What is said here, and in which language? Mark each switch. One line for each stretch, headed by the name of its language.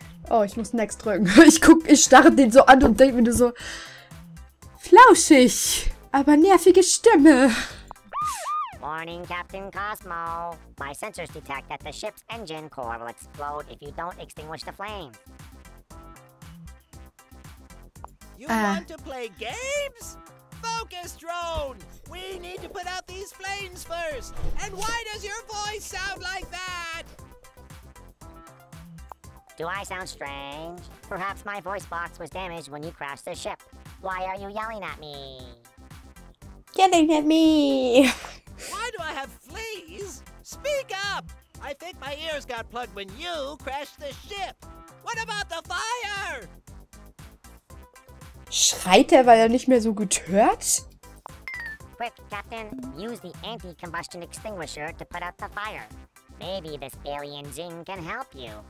German: Oh, ich muss Next drücken. Ich starre den so an und denke mir nur so. Flauschig, aber nervige Stimme.
English: Warning, Captain Cosmo. My sensors detect that the ship's engine core will explode if you don't extinguish the flame. You want to play games? Focus, drone! We need to put out these flames first! And why does your voice sound like that? Do I sound strange? Perhaps my voice box was damaged when you crashed the ship. Why are you yelling at me? Yelling at me! Why do I have fleas? Speak up! I think my ears got plugged when you crashed the ship. What about the fire?
German: Schreit er, weil er nicht mehr so gut hört?
English: Quick, Captain, use the anti-combustion extinguisher to put out the fire. Maybe this alien Zing can help you.